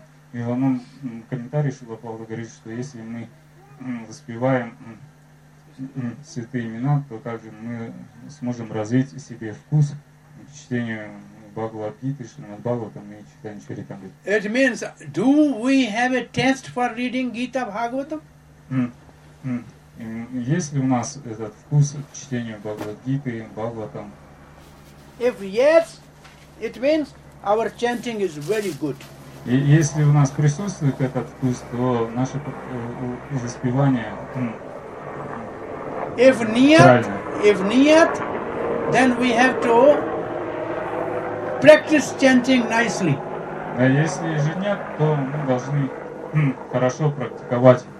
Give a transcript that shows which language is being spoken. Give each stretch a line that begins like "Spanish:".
Russian: И в одном комментарии Шрила Прабхупада говорит, что если мы воспеваем святые имена, то также мы сможем развить себе вкус к чтению Бхагавад-гиты, Шримад-Бхагаватам и чтению Чаритамриты.
English: It means, do we have a taste for reading Gita Bhagavatam?
Russian: Есть ли у нас этот вкус к чтению Бхагавад-гиты, Бхагаватам?
English: If yes, it means our chanting is very good.
Russian: И если у нас присутствует этот вкус, то наше воспевание
English: If niyat, then we have to practice chanting nicely.
Russian: А если же нет, то мы должны хорошо практиковать.